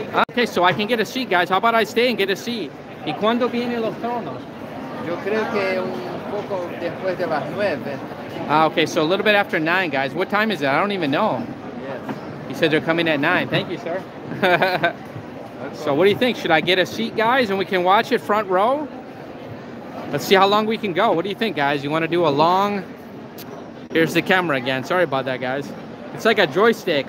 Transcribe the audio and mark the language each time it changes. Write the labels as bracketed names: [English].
[English] Okay, so I can get a seat, guys. How about I stay and get a seat? [Spanish] ¿Y cuándo vienen los tronos? Yo creo que un poco después de las 9. [English] Okay, so a little bit after 9, guys. What time is it? I don't even know. Yes. He said they're coming at 9. Thank you, sir. So what do you think? Should I get a seat, guys, and we can watch it front row? Let's see how long we can go. What do you think, guys? You want to do a long... Here's the camera again. Sorry about that, guys. It's like a joystick.